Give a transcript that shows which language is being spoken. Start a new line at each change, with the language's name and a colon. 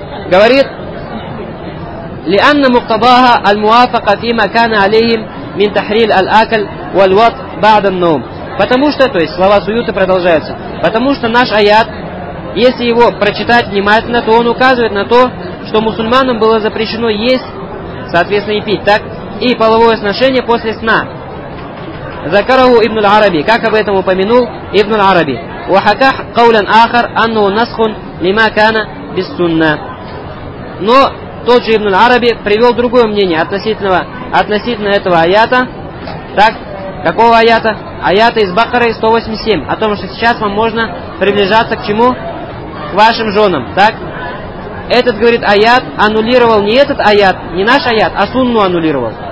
Russian: Говорит,
Arabic: لأن مقتضاها الموافقة فيما كان عليهم من تحريل الأكل والوط بعد النوم.
Russian: Потому что, то есть слова Суюти продолжаются. Потому что наш аят, если его прочитать внимательно, то он указывает на то, что мусульманам было запрещено есть, соответственно и пить, так? И половое сношение после сна. Закарау Ибн Аль-Араби, как об этом упомянул Ибн Аль-Араби.
Arabic: وحكاه قولا آخر أنه نسخ لما كان بالسنة.
Russian: Но тот же Ибн Аль-Араби привел другое мнение относительно этого аята. Так, какого аята? Аята из Бакары 187, о том, что сейчас вам можно приближаться к чему? К вашим женам, так? Этот, говорит, аят аннулировал не этот аят, не наш аят, а сунну аннулировал.